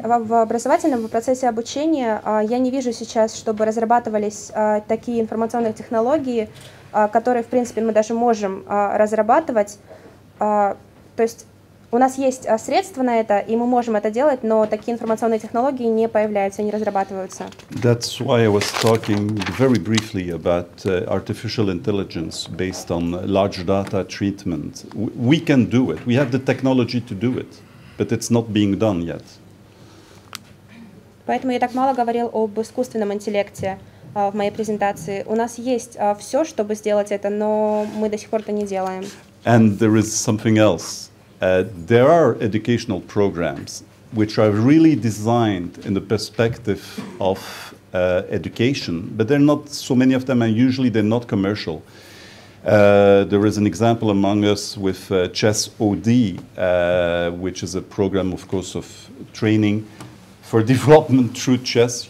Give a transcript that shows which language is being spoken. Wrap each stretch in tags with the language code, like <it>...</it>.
<ru>В образовательном, в процессе обучения я не вижу сейчас, чтобы разрабатывались такие информационные технологии, которые, в принципе, мы даже можем разрабатывать. То есть у нас есть средства на это, и мы можем это делать, но такие информационные технологии не появляются, не разрабатываются.</ru> <en>That's why I was talking very briefly about artificial intelligence based on large data treatment. We can do it. We have the technology to do it, but it's not being done yet.</en> <ru>Поэтому я так мало говорил об искусственном интеллекте. в моей презентации. У нас есть все, чтобы сделать это, но мы до сих пор это не делаем.</ru> <en>And there is something else. There are educational programs which are really designed in the perspective of education, but there are not so many of them, and usually they're not commercial. There is an example among us with Chess OD, which is a program, of course, of training for development through chess.</en>